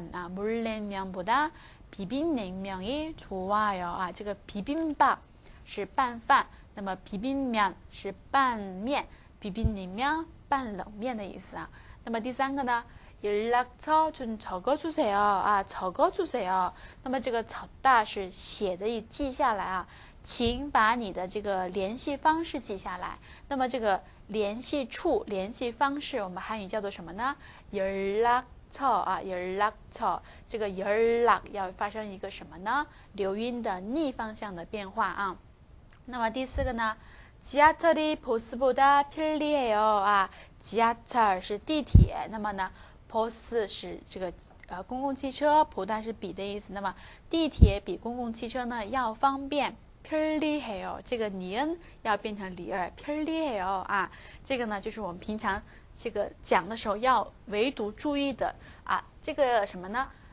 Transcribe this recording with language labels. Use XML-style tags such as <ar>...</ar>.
<ko>물냉면보다 비빔냉면이 좋아요.</ko> <zh>아, 这个 비빔밥 是拌饭，那么 비빔면 是拌面，비빔냉면 拌冷面的意思啊。那么第三个呢？</zh> <ko>연락처 좀 적어주세요. 아, 적어주세요.</ko> <zh>那么这个적다 是写的，记下来啊，请把你的这个联系方式记下来。那么这个联系处、联系方式，我们汉语叫做什么呢？ 연락처 这个연락要发生一个什么呢？流音的逆方向的变化啊。那么第四个呢？</zh> <ko>지하철이 버스보다 편리해요.</ko> <zh>아, 지하철 是地铁。 那么呢？ 버스 是这个公共汽车，보다是比的意思。那么地铁比公共汽车呢要方便，편리해요。这个니은要变成리얼，편리해요啊。这个呢就是我们平常这个讲的时候要唯独注意的啊。这个什么呢？</zh>